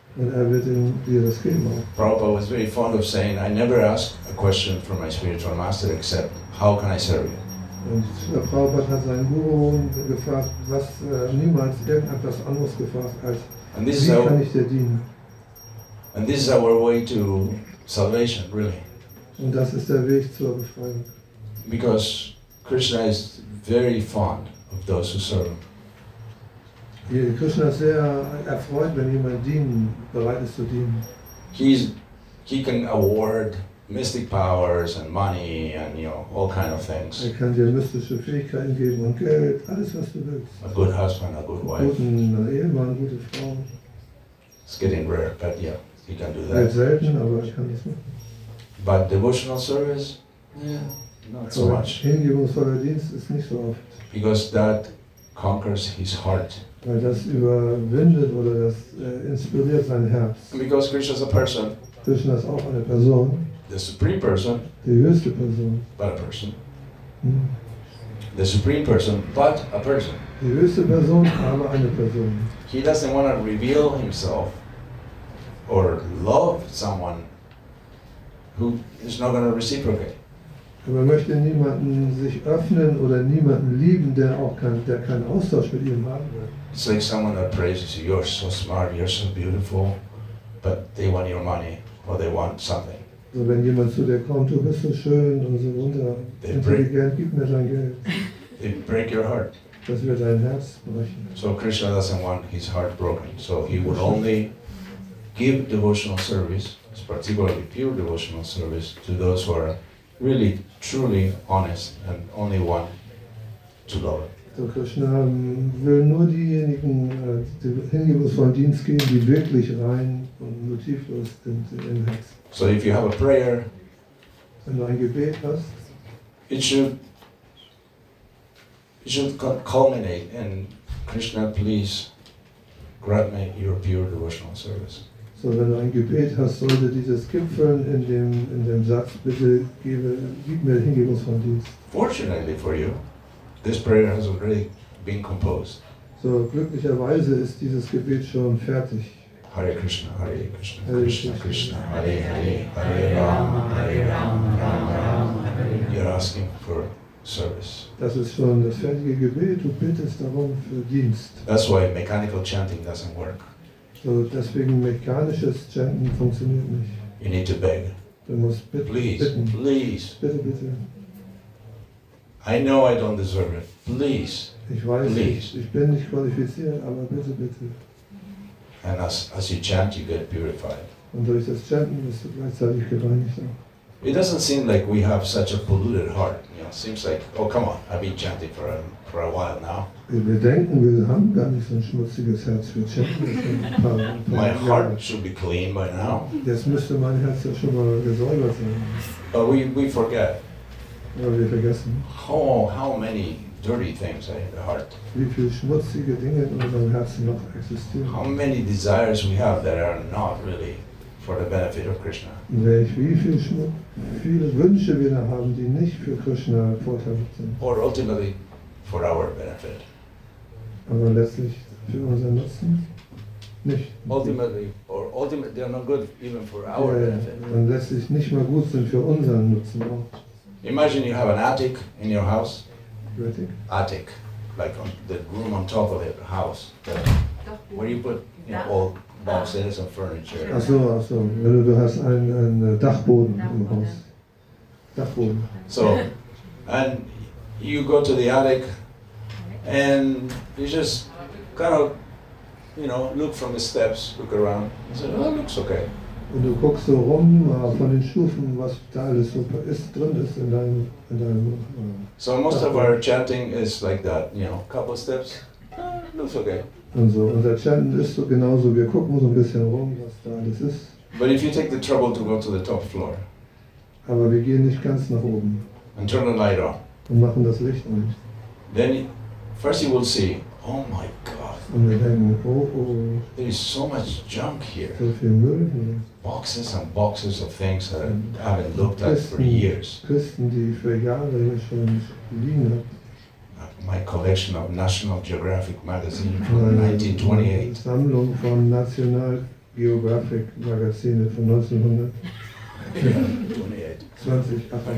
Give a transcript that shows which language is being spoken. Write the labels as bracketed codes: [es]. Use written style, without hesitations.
[de] Und er wird dir das geben. [en] Prabhupada was very fond of saying, I never ask a question from my spiritual master except, how can I serve you? [de] Und Prabhupada hat seinen Guru gefragt, was niemals irgendetwas anderes gefragt als, wie kann ich dir dienen? [en] And this is our way to salvation, really. [de] Und das ist der Weg zur Befreiung. [en] Because Krishna is very fond of those who serve him. [de] Krishna ist sehr erfreut, wenn jemand dienen, bereit ist zu dienen. [en] He can award mystic powers and money and, you know, all kind of things. [de] Er kann dir mystische Fähigkeiten geben und Geld, alles was du willst. [en] A good husband, a good wife. [de] Guten Ehemann, gute Frau. [en] It's getting rare, but yeah, he can do that. [de] Wird selten, aber ich kann das machen. [en] But devotional service? Yeah. Not so much. [de] Hingebungsvoller Dienst ist nicht so oft. [en] Because that conquers his heart. [de] Weil das überwindet oder das inspiriert sein Herz. [en] Because Krishna is a person. [de] Krishna ist auch eine Person. [en] The supreme person. [de] Die höchste Person. [en] But a person. The supreme person, but a person. [de] Die höchste Person, aber eine Person. [en] He doesn't want to reveal himself or love someone who is not going to reciprocate. [de] Man möchte niemanden sich öffnen oder niemanden lieben, der keinen Austausch mit ihm haben will. [en] It's like someone that praises you, you're so smart, you're so beautiful, but they want your money or they want something. [de] So wenn jemand zu dir kommt, du bist so schön und so intelligent, gib mir dein Geld. [en] They break your heart. [de] Das wird dein Herz brechen. [en] So Krishna doesn't want his heart broken. So he would only give devotional service, particularly pure devotional service, to those who are really, truly honest and only want to love it. [de] So Krishna will nur diejenigen hingebungsvollen Dienst geben, die wirklich rein und motivlos sind im Herz. [en] So if you have a prayer, [de] wenn du ein Gebet hast, [en] it should culminate in Krishna, please grant me your pure devotional service. [de] So wenn du ein Gebet hast, sollte dieses gipfeln in dem Satz, bitte gib mir hingebungsvollen Dienst. [en] Fortunately for you, this prayer has already been composed. [de] So glücklicherweise ist dieses Gebet schon fertig. [sa] Hare Krishna, Hare Krishna, Hare Krishna, Krishna, Krishna, Hare Hare, Hare Rama, Hare Rama, Rama Rama, Hare Hare. [en] You're asking for service. [de] Das ist schon das fertige Gebet, du bittest darum für Dienst. [en] That's why mechanical chanting doesn't work. [de] So deswegen mechanisches Chanten funktioniert nicht. [en] You need to beg. [de] Du musst bitten. [en] Please. [de] Bitte, bitte. [en] I know I don't deserve it. Please. [de] Ich weiß, ich bin nicht qualifiziert, aber bitte, bitte. [en] And as you chant, you get purified. [de] Und durch das Chanten bist du gleichzeitig gereinigt. [en] It doesn't seem like we have such a polluted heart. You know, it seems like, oh come on, I've been chanting for a while now. [de] Wir denken, wir haben gar nicht so ein schmutziges Herz für Chanten. [en] My heart should be clean by now. [de] Jetzt müsste mein Herz ja schon mal gesäubert sein. [en] But we forget. [de] Aber wir vergessen. [en] How many dirty things in the heart. [de] Wie viele schmutzige Dinge in unserem Herzen noch existieren. [en] How many desires we have that are not really for the benefit of Krishna. [de] Wie viele Wünsche wir da haben, die nicht für Krishna vorteilhaft sind. [en] Or ultimately for our benefit. [de] Aber letztlich für unseren Nutzen. Nicht. [en] Ultimately, they are not good even for our benefit. [de] Und letztlich nicht mal gut sind für unseren Nutzen auch. [en] Imagine you have an attic in your house. Attic, like on the room on top of the house, where you put all boxes and furniture. [de] Also, wenn du hast einen Dachboden im Haus, Dachboden. [en] So, and you go to the attic, and you just kind of, you know, look from the steps, look around, and say, oh, it looks okay. [de] Und du guckst so rum von den Stufen, was da alles so ist, drin ist in deinem [en] So most of our chanting is like that, you know, couple steps, looks okay. [de] Und so unser Chanten ist so genauso, wir gucken so ein bisschen rum, was da alles ist. [en] But if you take the trouble to go to the top floor. [de] Aber wir gehen nicht ganz nach oben. [en] And turn the light on. [de] Und machen das Licht an. [en] Then first you will see, oh my God. [de] Und wir denken, oh. [en] There is so much junk here. [de] So viel Müll hier. [en] Boxes and boxes of things that I haven't looked at for years. [de] Kisten, die ich für Jahre hier schon liegen habe. [en] My collection of National Geographic magazine from 1928. [de] Sammlung von National Geographic Magazine von 1928.